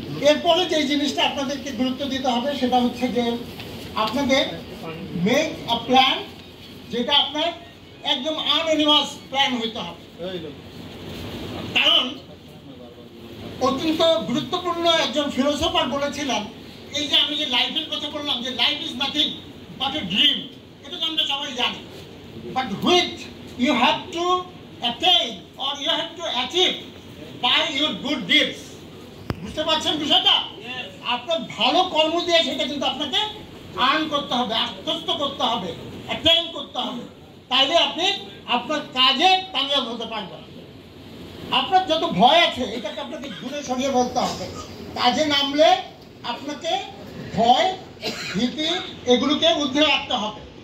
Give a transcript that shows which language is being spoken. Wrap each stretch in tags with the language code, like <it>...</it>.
<bn>এরপরে যে জিনিসটা আপনাদেরকে গুরুত্ব দিতে হবে সেটা হচ্ছে যে আপনাদের</bn> <en>make a plan,</en> <bn>যেটা আপনার একদম আনএনিমাস প্ল্যান হইতে হবে। কারণ অত্যন্ত গুরুত্বপূর্ণ একজন ফিলোসফার বলেছিলেন, এই যে আমি যে লাইফের কথা বললাম যে</bn> <en>Life is nothing but a dream.</en> <bn>এটা তো আমরা সবাই জানি।</bn> <en>But which you have to attain or you have to achieve by your good deeds.</en> <bn>বুঝতে পারছেন বিষয়টা? আপনার ভালো কর্ম দিয়ে সেটা কিন্তু আপনাকে আর্ন করতে হবে, আত্মস্থ করতে হবে, অ্যাটেন করতে হবে, তাইলে আপনি আপনার কাজে কামিয়াব হতে পারবেন। আপনার যত ভয় আছে এটাকে আপনাকে দূরে সরিয়ে বলতে হবে। কাজে নামলে আপনাকে ভয় ভীতি এগুলোকে উদ্ধে রাখতে হবে।</bn>